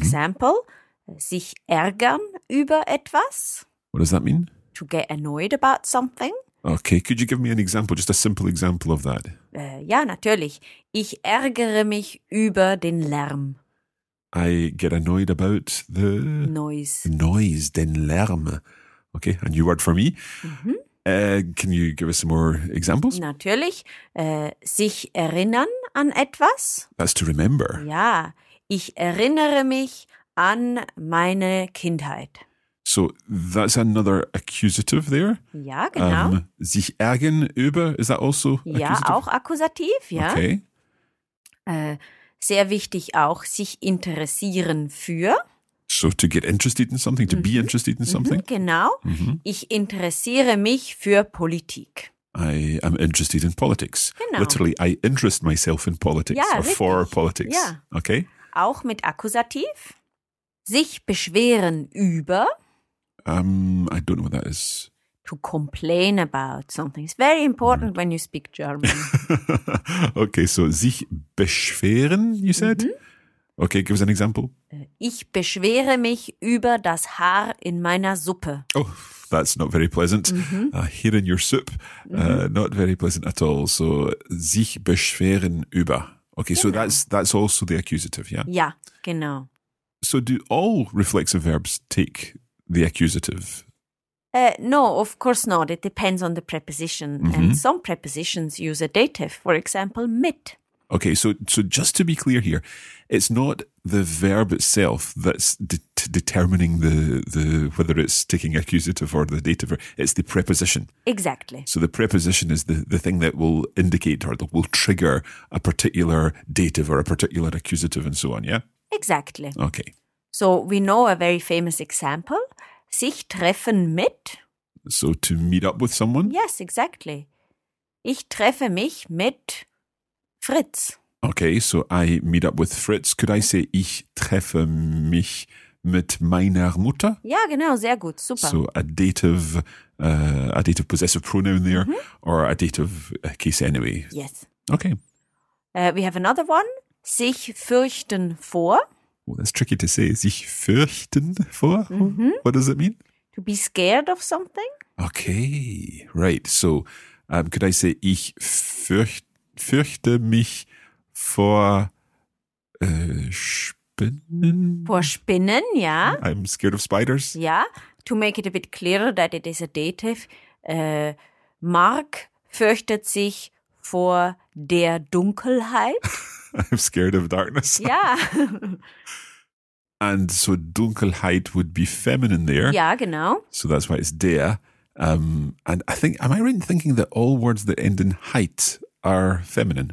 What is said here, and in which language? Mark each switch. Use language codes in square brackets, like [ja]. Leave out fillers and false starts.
[de] example, sich ärgern über etwas. [en] What does that mean? To get annoyed about something. Okay, could you give me an example, just a simple example of that? [de] Ja, natürlich. Ich ärgere mich über den Lärm. [en] I get annoyed about the... Noise. Noise, [de] den Lärm. [en] Okay, a new word for me. Mm-hmm. Can you give us some more examples? [de] Natürlich. Sich erinnern an etwas. [en] That's to remember. [de] Ja, ich erinnere mich an meine Kindheit. [en] So that's another accusative there. [de] Ja, genau. Sich ärgern über, [en] is that also accusative? [de] Ja, auch akkusativ, ja. [en] Okay. [de] Sehr wichtig auch, sich interessieren für. [en] so to get interested in something, to be interested in something. [de] Genau. Mm-hmm. Ich interessiere mich für Politik. [en] I am interested in politics. [de] Genau. [en] Literally, I interest myself in politics, [de] ja, [en] or [de] richtig. [en] For politics. [de] Ja. [en] Okay. [de] Auch mit Akkusativ. Sich beschweren über. [en] I don't know what that is. To complain about something. It's very important when you speak German. Okay, so [de] sich beschweren, [en] you said? Mm-hmm. Okay, give us an example. [de] Ich beschwere mich über das Haar in meiner Suppe. [en] Oh, that's not very pleasant. Mm-hmm. Hair in your soup, not very pleasant at all. [de] So sich beschweren über. [en] Okay, [de] genau. [en] So that's also the accusative, yeah? [de] Ja, genau. [en] So do all reflexive verbs take the accusative? No, of course not. It depends on the preposition. Mm-hmm. And some prepositions use a dative, for example, mit. Okay, so just to be clear here, it's not the verb itself that's determining the whether it's taking accusative or the dative, it's the preposition. Exactly. So the preposition is the thing that will indicate or that will trigger a particular dative or a particular accusative and so on, yeah? Exactly. Okay. So we know a very famous example. [de] Sich treffen mit. [en] So to meet up with someone? Yes, exactly. [de] Ich treffe mich mit Fritz. [en] Okay, so I meet up with Fritz. Could I say [de] ich treffe mich mit meiner Mutter? Ja, genau, sehr gut, super. [en] So a dative possessive pronoun there, or a dative case anyway. Yes. Okay. We have another one. [de] Sich fürchten vor. [en] Well, that's tricky to say. [de] Sich fürchten vor? Mm-hmm. [en] What does it mean? To be scared of something. Okay, right. So could I say, [de] ich fürchte mich vor Spinnen? Vor Spinnen, ja. [en] I'm scared of spiders. Ja, to make it a bit clearer that it is a dative. [de] Mark fürchtet sich vor der Dunkelheit. [en] I'm scared of darkness. Yeah. And so Dunkelheit would be feminine there. Yeah, genau. So that's why it's der. And I think, am I right in thinking that all words that end in Heit are feminine?